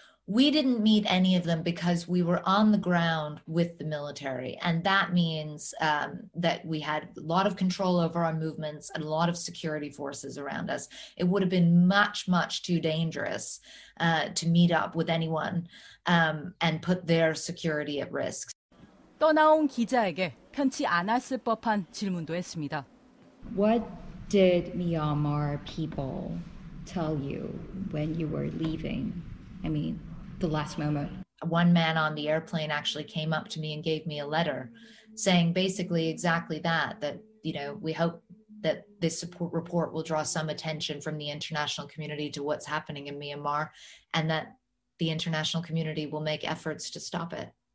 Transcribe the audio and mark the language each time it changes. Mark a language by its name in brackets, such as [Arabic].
[English] We didn't meet any of them because we were on the ground with the military. And that means that we had a lot of control over our movements and a lot of security forces around us. It would have been much, much too dangerous to meet up with anyone and put their security at risk. [Korean] 떠나온 기자에게 편치 않았을 법한 질문도 했습니다. [English] What did Myanmar people tell you when you were leaving? I mean, the last moment. One man on the airplane actually came up to me and gave me a letter saying basically exactly that, that, you know, we hope that this support report will draw some attention from the international community to what's happening in Myanmar and that the international community will make efforts to stop it.